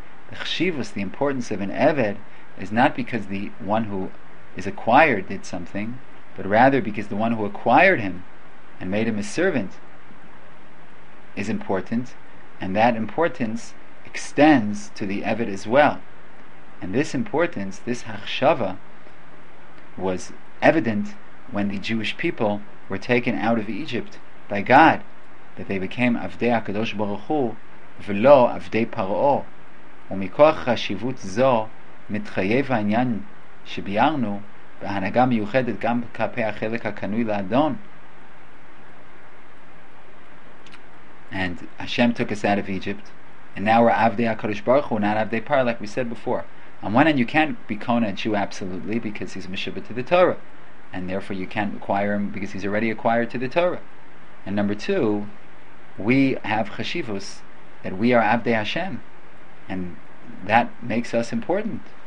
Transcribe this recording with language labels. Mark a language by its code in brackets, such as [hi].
[en] The importance of an Eved is not because the one who is acquired did something, but rather because the one who acquired him and made him a servant is important, and that importance extends to the Eved as well. And this importance, this Hachshava, was evident when the Jewish people were taken out of Egypt by God, that they became Avdei HaKadosh Baruch Hu [he] ולא עבדי פרעו. ומכוח חשיבות זו מתחייב העניין שביארנו בהנהגה מיוחדת גם כלפי החלק הקנוי לאדון. [en] And Hashem took us out of Egypt, and now we're Avdei HaKadosh Baruch Hu, not Avdei Par, like we said before. On one hand, you can't be Kona Jew absolutely, because he's Meshibah to the Torah, and therefore you can't acquire him because he's already acquired to the Torah. And number two, we have Chashivus, that we are Avdei Hashem, and that makes us important.